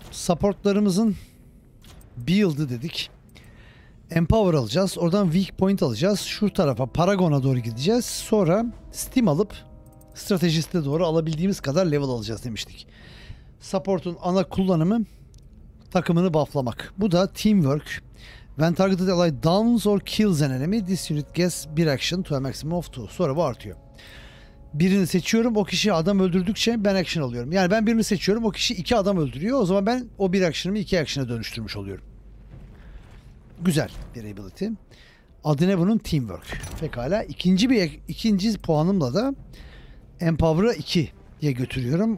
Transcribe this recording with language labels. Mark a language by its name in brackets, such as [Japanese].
[Turkish] Supportlarımızın build'ı dedik. Empower alacağız. Oradan weak point alacağız. Şu tarafa, Paragon'a doğru gideceğiz. Sonra Steam alıp stratejiste doğru alabildiğimiz kadar level alacağız demiştik. Support'un ana kullanımı takımını bufflamak. Bu da teamwork. [English] When targeted ally downs or kills an enemy, this unit gets [Turkish] bir [English] action to a maximum of two. [Turkish] Sonra bu artıyor. Birini seçiyorum, o kişi adam öldürdükçe ben action alıyorum. Yani ben birini seçiyorum, o kişi iki adam öldürüyor. O zaman ben o bir action'ımı iki action'a dönüştürmüş oluyorum. Güzel bir ability. Adı ne bunun? Teamwork. Pekala. İkinci puanımla da Empower'a 2 diye götürüyorum.